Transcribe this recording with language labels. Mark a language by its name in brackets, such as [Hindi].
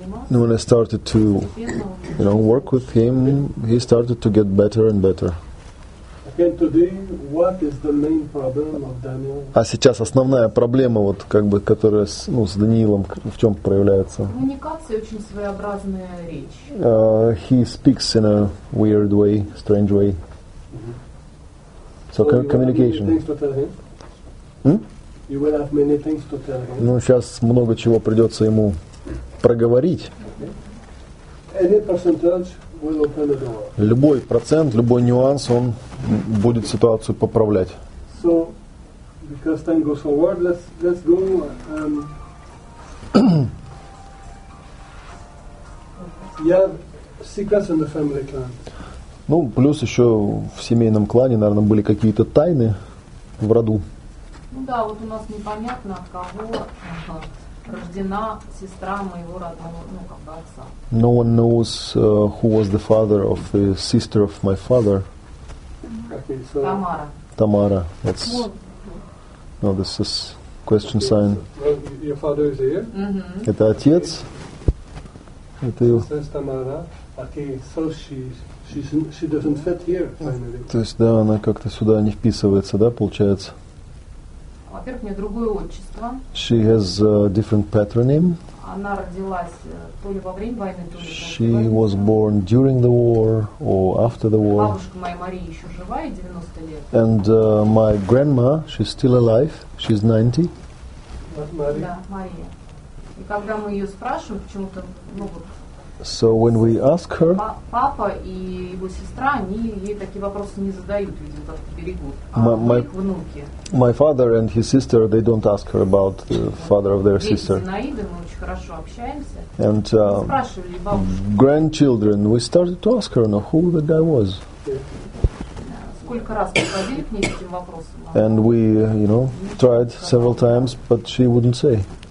[English] When I started to, you know, work with him, he started to get better and better. Again today, what is the main problem of Daniil? [Russian] А сейчас основная проблема вот как бы, которая с, ну, с Даниилом в чем проявляется? Коммуникация очень своеобразная речь. [English] He speaks in a weird way, strange way. Mm-hmm. So communication. You will have many things to tell him. [Russian] Ну, сейчас много чего придется ему проговорить. [English] Okay. Any percentage will open the door. [Russian] Любой процент, любой нюанс, он будет ситуацию поправлять. [English] So, because time goes forward, let's go. Yeah, secrets in the family clan. [Russian] Ну, плюс еще в семейном клане, наверное, были какие-то тайны в роду. Ну да, вот у нас непонятно, от кого рождена сестра моего родного, ну, как бы отца. [English] No one knows who was the father of the sister of my father. Okay, so [Russian] Тамара. [English] Тамара, that's... [Russian] Вот. [English] No, this is question okay, sign. So, well, your father is here? Mm-hmm. [Russian] Это отец. [English] Okay. [Russian] Это его. Сестра Тамара. [English] Okay, so she doesn't fit here, finally. [Russian] То есть, да, она как-то сюда не вписывается, да, получается? Во-первых, у меня другое отчество. [English] She has a different patronym. [Russian] Она родилась то ли во время войны, то ли [English] She was born during the war or after the war. [Russian] Бабушка моя Мария еще жива, ей 90 лет. [English] And my grandma, she's still alive. She's 90. [Russian] Мария. Да, Мария. И когда мы ее спрашиваем, почему-то, ну вот. [English] So when we ask her, [Russian] папа и его сестра, они ей такие вопросы не задают, видимо, так берегут. А их внуки. [English] My father and his sister, they don't ask her about the father of their sister. [Russian] Зинаида, мы очень хорошо общаемся. [English] And [Russian] спрашивали бабушку. [English] Grandchildren, we started to ask her, who the guy was. [Russian] Сколько раз приходили к ней с этим вопросом? [English] And we, you know, tried several times, but she wouldn't say.